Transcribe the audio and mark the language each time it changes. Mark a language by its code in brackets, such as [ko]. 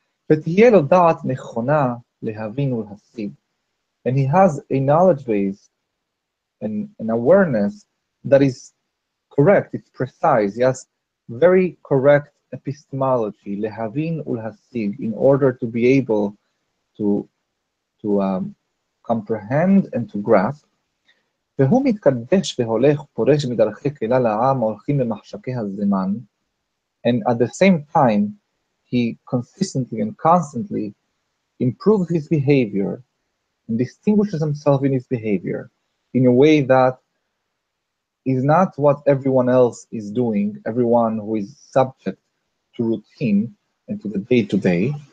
[en] And he has a knowledge base, an awareness that is correct, it's precise, yes, very correct epistemology, [he] lehavin ulhasig, [en] in order to be able to comprehend and to grasp. [he] והוא מתקדש והולך פורש מדרכי קהילה לעם הולכים במחשקי הזמן. [en] And at the same time, he consistently and constantly improves his behavior and distinguishes himself in his behavior in a way that is not what everyone else is doing, everyone who is subject to routine and to the day-to-day.